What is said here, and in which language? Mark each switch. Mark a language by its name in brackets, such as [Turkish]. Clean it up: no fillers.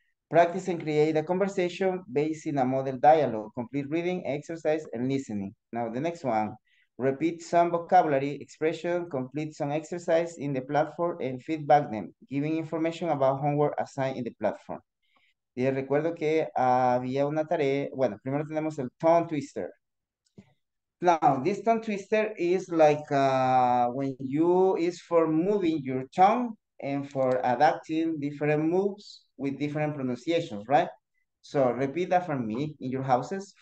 [English] Practice and create a conversation based in a model dialogue, complete reading, exercise, and listening. Now the next one, repeat some vocabulary, expression, complete some exercise in the platform, and feedback them, giving information about homework assigned in the platform. [Spanish] Y recuerdo que había una tarea, bueno, primero tenemos el tongue twister. [English] Now, this tongue twister is like when you is for moving your tongue and for adapting different moves with different pronunciations, right? So repeat that for me in your houses.